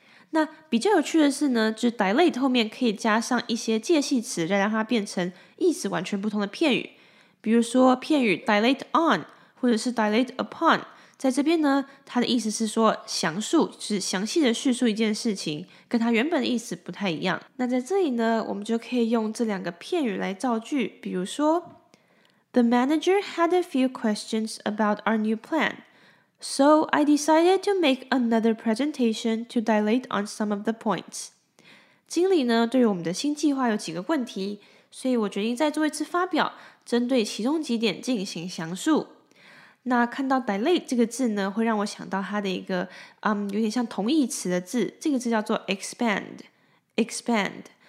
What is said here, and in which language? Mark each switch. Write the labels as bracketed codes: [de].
[zh] 那比较有趣的是呢，就是 dilate 后面可以加上一些介系词，再让它变成意思完全不同的片语。比如说片语 dilate on 或者是 dilate upon。在这边呢，它的意思是说详述，就是详细的叙述一件事情，跟它原本的意思不太一样。那在这里呢，我们就可以用这两个片语来造句。比如说 [en] The manager had a few questions about our new plan, so I decided to make another presentation to dilate on some of the points. [zh] 经理呢，对于我们的新计划有几个问题，所以我决定再做一次发表，针对其中几点进行详述。那看到 dilate 这个字呢，会让我想到它的一个有点像同义词的字，这个字叫做 expand。